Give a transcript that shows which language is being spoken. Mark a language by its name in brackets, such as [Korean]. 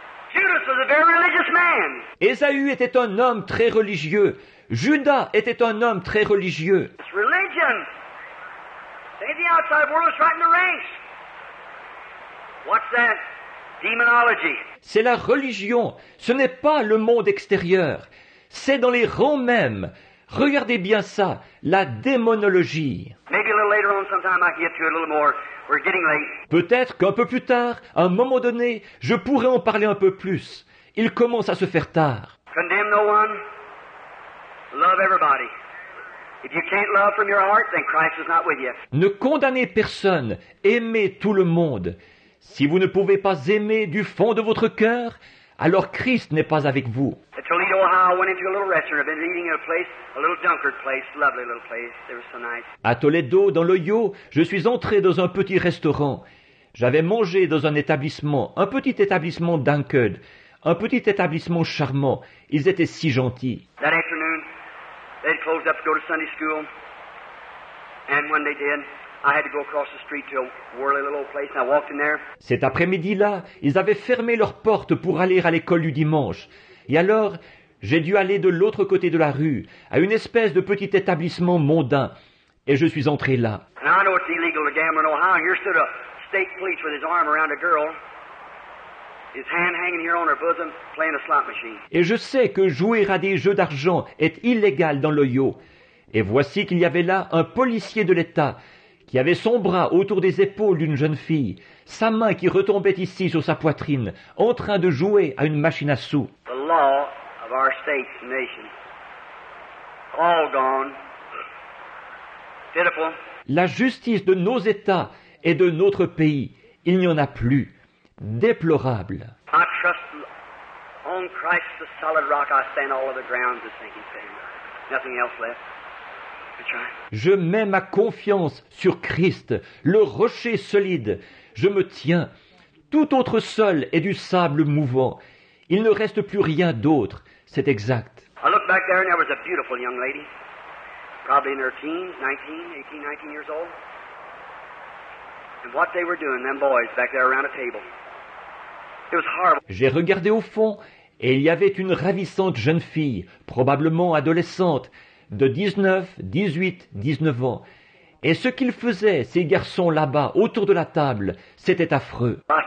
[English] Judas was a very religious man. [French] Ésaü était un homme très religieux. Judas était un homme très religieux. [English] It's religion. Say the outside world is right in the ranks. What's that? Demonology. [French] C'est la religion. Ce n'est pas le monde extérieur. C'est dans les rangs même. Regardez bien ça, la démonologie. [English] Maybe a little later on sometime I can get to it a little more. We're getting late. [French] Peut-être qu'un peu plus tard, à un moment donné, je pourrai en parler un peu plus. Il commence à se faire tard. [English] Condemn no one. Love everybody. If you can't love from your heart, then Christ is not with you. [French] Ne condamnez personne. Aimez tout le monde. Si vous ne pouvez pas aimer du fond de votre cœur, alors Christ n'est pas avec vous. [English] At Toledo, Ohio, I went into a little restaurant. I've been eating at a place, a little junkyard place, lovely little place. It was so nice. [French] À Toledo, dans l'Ohio, je suis entré dans un petit restaurant. J'avais mangé dans un petit établissement dunkered, un petit établissement charmant. Ils étaient si gentils. [English] That afternoon, they had closed up to go to Sunday school. And when they did, I had to go across the street to a whirly little old place and I walked in there. [French] Cet après-midi-là, ils avaient fermé leurs portes pour aller à l'école du dimanche. Et alors, j'ai dû aller de l'autre côté de la rue, à une espèce de petit établissement mondain. Et je suis entré là. [English] And I know it's illegal to gamble in Ohio. Here stood a state police with his arm around a girl, his hand hanging here on her bosom, playing a slot machine. [French] Et je sais que jouer à des jeux d'argent est illégal dans l'Ohio. Et voici qu'il y avait là un policier de l'État qui avait son bras autour des épaules d'une jeune fille, sa main qui retombait ici sur sa poitrine, en train de jouer à une machine à sous. [English] The law of our state, nation. All gone. Pitiful. [French] La justice de nos États et de notre pays, il n'y en a plus. Déplorable. [English] I trust on Christ, the solid rock, I stand all of the ground to sinking sand. Nothing else left. [French] Je mets ma confiance sur Christ, le rocher solide. Je me tiens. Tout autre sol est du sable mouvant. Il ne reste plus rien d'autre. C'est exact. [English] I looked back there and there was a beautiful young lady, probably in her teens, 19 years old. And what they were doing, them boys back there around a table, it was horrible. [French] J'ai regardé au fond et il y avait une ravissante jeune fille, probablement adolescente, de 19 ans. Et ce qu'ils faisaient, ces garçons là-bas, autour de la table, c'était affreux.